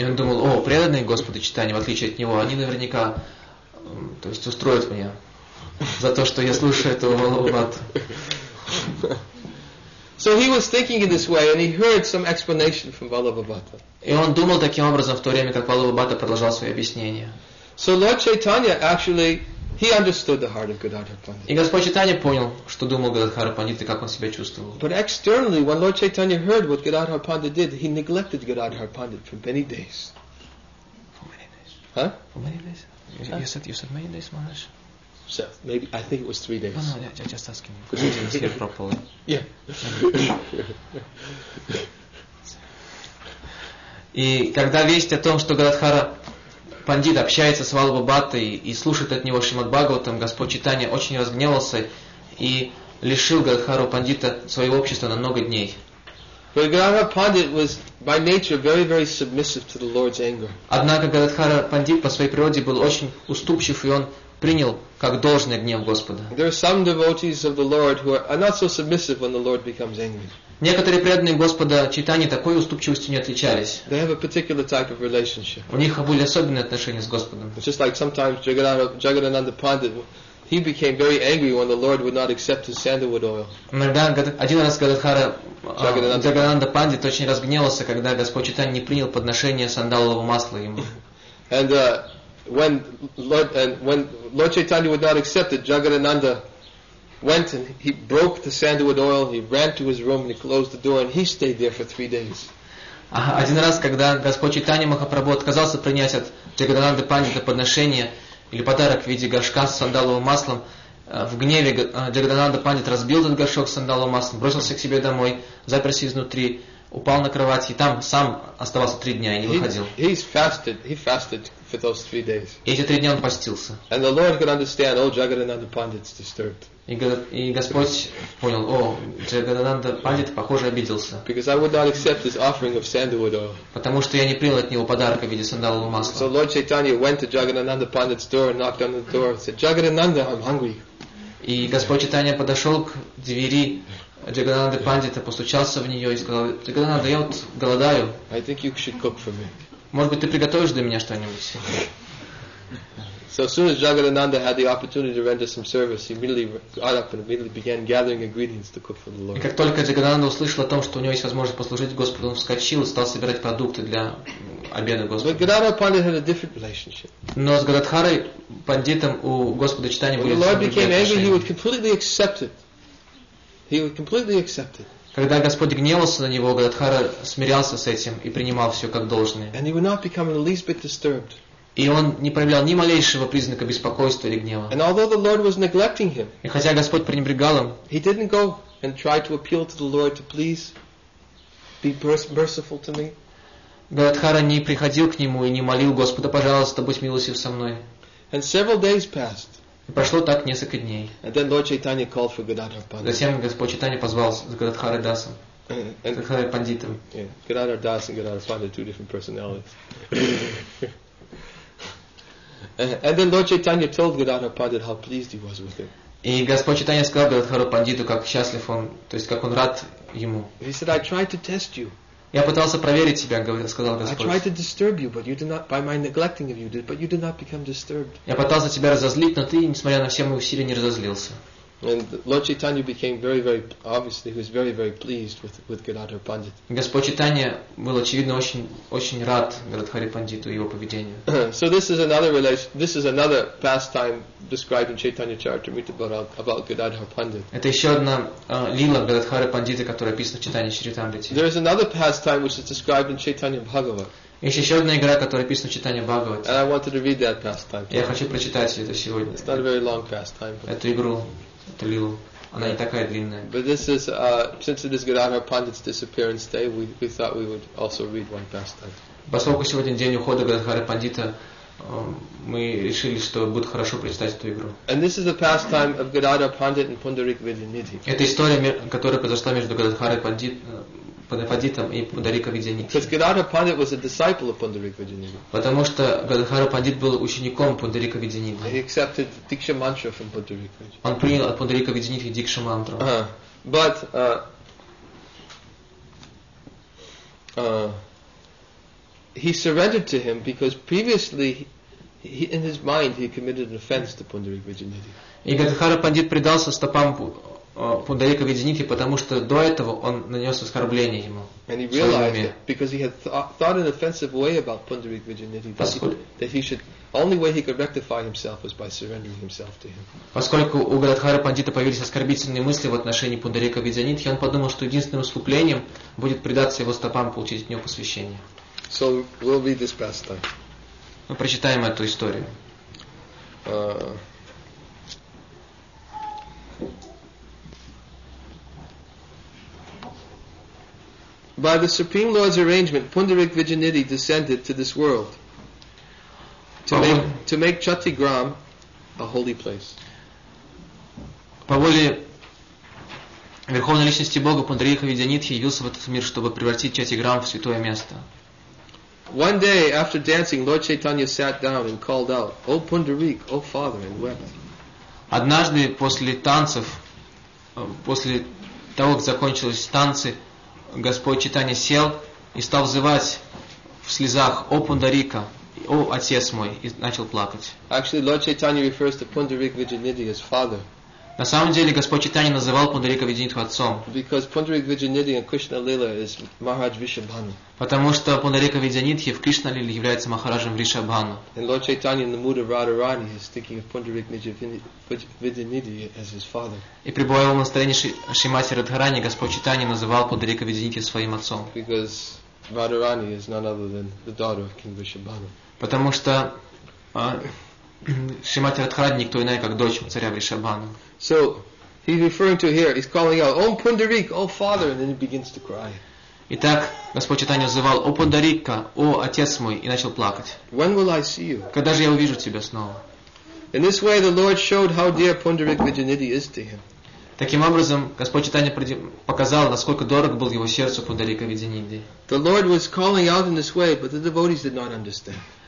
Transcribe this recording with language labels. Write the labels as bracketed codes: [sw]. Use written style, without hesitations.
[ru] И он думал, о, преданные Господа Чайтанья, в отличие от него, они наверняка, то есть, устроят меня за то, что я слушаю этого Валабха Бхатту. [en] So he was thinking in this way, and he heard some explanation from Valabha Bhatta. [ru] И он думал таким образом в то время, как Валабха Бхатта продолжал свои объяснения. [en] So Lord Chaitanya actually, he understood the heart of Gadadhar Pandit. [ru] И Господь Чайтанья понял, что думал Гададхара Пандит и как он себя чувствовал. [en] But externally, when Lord Chaitanya heard what Gadadhar Pandit did, he neglected Gadadhar Pandit for many days. For many days? Huh? For many days? You said many days, Maharaj? So maybe I think it was 3 days. No, I'm just asking you. Because you didn't hear properly. Yeah. [ru] И когда весть о том, что Гададхара Пандит общается с Валабха Бхаттой и слушает от него Шримад Бхагаватам, Господь Чайтанья очень разгневался и лишил Гададхару Пандита своего общества на много дней. [en] But Gadadhara Pandit was by nature very, very submissive to the Lord's anger. [ru] Однако Гададхара Пандит по своей природе был очень уступчив, и он принял как должное гнев Господа. [en] There are some devotees of the Lord who are not so submissive when the Lord becomes angry. [ru] Некоторые преданные Господа Чайтаньи такой уступчивостью не отличались. [en] They have a particular type of relationship. [ru] У них были особенные отношения с Господом. [en] It's just like sometimes Jagadananda Pandit, he became very angry when the Lord would not accept his sandalwood oil. [ru] Один раз Джагадананда Пандит очень разгневался, когда Господь Чайтанья не принял подношение сандалового масла ему. [en] And when Lord Chaitanya would not accept it, Jagadananda went and he broke the sandalwood oil, he ran to his room and he closed the door and he stayed there for 3 days. [ru] Один раз, когда Господь Чайтанья Махапрабху отказался принять от Джагадананды Пандита подношение или подарок в виде горшка с сандаловым маслом, в гневе Джагадананда Пандит разбил этот горшок с сандаловым маслом, бросился к себе домой, заперся изнутри, упал на кровать и там сам оставался 3 дня и не выходил. [en] He fasted for those 3 days. [ru] Эти 3 дня он постился. [en] And the Lord could understand, oh, Jagadananda Pandit's disturbed. [ru] И Господь понял, о, Джагадананда Пандит, похоже, обиделся. [en] Because I would not accept his offering of sandalwood oil. [ru] Потому что я не принял от него подарка в виде сандалового масла. [en] So Lord Chaitanya went to Jagadananda Pandit's door and knocked on the door and said, Jagadananda, I'm hungry. [ru] И Господь Чайтанья подошел к двери Джагадананды Пандита, постучался в нее и сказал, Джагадананда, я вот голодаю. [en] I think you should cook for me. [ru] Может быть, ты приготовишь для меня что-нибудь? [en] So as soon as Jagadananda had the opportunity to render some service, he immediately got up and immediately began gathering ingredients to cook for the Lord. [ru] И как только Джагадананда услышал о том, что у него есть возможность послужить Господу, он вскочил и стал собирать продукты для обеда Господа. [en] But Gadadhara Pandit had a different relationship. [ru] Но с Гададхарой Пандитом у Господа Чайтаньи были другие отношения. [en] When the Lord became angry, he would completely accept it. He would completely accept it. [ru] Когда Господь гневался на него, Гададхара смирялся с этим и принимал все как должное. [en] And he would not become the least bit disturbed. [ru] И он не проявлял ни малейшего признака беспокойства или гнева. [en] And although the Lord was neglecting him, [ru] и хотя Господь пренебрегал им, [en] he didn't go and try to appeal to the Lord to please be merciful to me. [ru] Гададхара не приходил к нему и не молил Господа, пожалуйста, будь милостив со мной. [en] And several days passed. [ru] И прошло так несколько дней. [en] And then Lord Chaitanya called for Gadadhara Pandit. [ru] Затем Господь Чайтанья позвал Гададхару Дасу. Гададхару Пандитам. [en] Yeah, Gadadhara Das and Gadadhara Pandit are two different personalities. And then Lord Chaitanya told Gadadhara Pandit how pleased he was with him. [ru] И Господь Чайтанья сказал Гададхару Пандиту, как счастлив он, то есть как он рад ему. [en] He said, I tried to test you. [ru] Я пытался проверить тебя, сказал Господь. [en] I tried to disturb you, but you did not, by my neglecting of you, but you did not become disturbed. [ru] Я пытался тебя разозлить, но ты, несмотря на все мои усилия, не разозлился. [en] And Lord Chaitanya became very, very, obviously, he was very, very pleased with Gadadhara Pandit. [ru] Господь Чайтанья был, очевидно, очень, очень рад Гададхаре Пандиту и его поведению. [en] So this is another relation. This is another pastime described in Chaitanya Charitamrita about Gadadhara Pandit. [ru] Это еще одна лила Гададхары Пандиты, которая описана в Чайтанья Чаритамрите. [en] There is another pastime which is described in Chaitanya Bhagavata. [ru] Есть еще одна игра, которая описана в Чайтанья Бхагавате. [en] And I wanted to read that pastime. [ru] Я хочу прочитать это сегодня. [en] It's not a very long pastime. [ru] Эту игру. Лилу. Она не такая длинная. [en] But this is since it is Gadadhara Pandit's disappearance day, we thought we would also read one pastime. [ru] Поскольку сегодня день ухода Гададхары Пандита, мы решили, что будет хорошо прочитать эту игру. [en] And this is the pastime of Gadadhara Pandit and Pundarik Vidyanidhi. [ru] Это история, которая произошла между Гададхарой Пандитом и Пундариком Видьянидхи. [en] Because Gadadhara Pandit was a disciple of Pundarik Vidyanidhi. [ru] Потому что Гададхара Пандит был учеником Пундарика Видьянидхи. [en] He accepted Diksha Mantra from Pundarik Vidyanidhi. [ru] Он принял от Пундарика Видьянидхи Диксха Мантру. [en] But he surrendered to him because previously in his mind he committed an offense to Pundarik Vidyanidhi. [ru] И Гададхара Пандит предался стопам Пундарика Видьянидхи, потому что до этого он нанес оскорбление ему. [en] And he realized it because he had thought an offensive way about Pundarika Vidyanidhi, that he should, only way he could rectify himself was by surrendering himself to him. [ru] Поскольку у Гададхары Пандита появились оскорбительные мысли в отношении Пундарика Видьянидхи, он подумал, что единственным искуплением будет предаться его стопам, получить от него посвящение. [en] So we'll read this pastime. [ru] Мы прочитаем эту историю. [en] By the Supreme Lord's arrangement, Pundarik Vidyanidhi descended to this world to make Chatigram a holy place. [ru] По воле Верховной личности Бога Пундарика Видьянитхи явился в этот мир, чтобы превратить Чатиграм в святое место. [en] One day after dancing, Lord Chaitanya sat down and called out, "O Pundarik, O Father," and wept. [ru] Однажды после танцев, после того, как закончились танцы, Господь Чайтанья сел и стал взывать в слезах, "О Пундарика, о отец мой," и начал плакать. [en] Actually, Lord Chaitanya refers to Pundarika Vidyanidhi as father. [ru] На самом деле Господь Чайтанья называл Пундарика Видьянитху отцом. [en] Because Pundarika Vidyanidhi and Krishna Lila is Maharaj Vrishabhanu. [ru] Потому что Пундарика Видьянитхи в Кришна Лиле является Махараджем Вришабхану. [en] And Lord Chaitanya in the mood of Radharani is thinking of Pundarika Vidyanidhi as his father. [ru] И пребывая в настроении Шримати Радхарани, Господь Чайтанья называл Пундарика Видьянитхи своим отцом. [en] Because Radharani is none other than the daughter of King Vrishabhanu. [ru] Потому что Шримати Радхарани никто иной, как дочь царя Вришабхану. [en] So he's referring to here. He's calling out, "Om Pundarik, O Father," and then he begins to cry. [ru] Итак, Господь Чайтанья называл, "О Пундарика, о отец мой," и начал плакать. [en] When will I see you? [ru] Когда же я увижу тебя снова? [en] In this way, the Lord showed how dear Pundarik Vidyanidhi is to him. [ru] Таким образом, Господь Чайтанья показал, насколько дорог был его сердцу Пундарика Видьянидхи. [en] The Lord was calling out in this way, but the devotees did not understand.